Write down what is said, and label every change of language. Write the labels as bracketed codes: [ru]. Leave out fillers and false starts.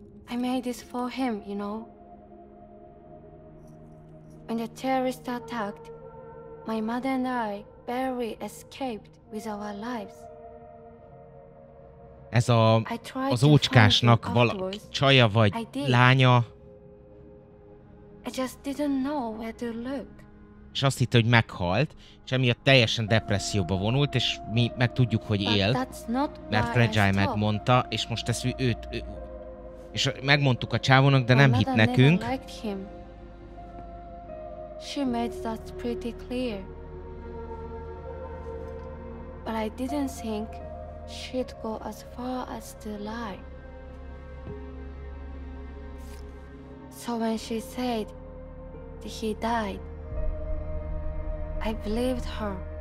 [en] I made this for him, you know. When the terrorist attacked, my mother and I barely escaped with our lives. [hu] Ez a, az ócskásnak valaki csaja vagy lánya. [en] I just didn't know where to look. [hu] És azt hitte, hogy meghalt, és emiatt teljesen depresszióba vonult, és mi megtudjuk, hogy él. Mert Fragile megmondta, és most ezt őt... És megmondtuk a csávónak, de nem hitt nekünk. [en] She made that pretty clear. But I didn't think she'd go as far as to lie. So when she said that he died, I believed her.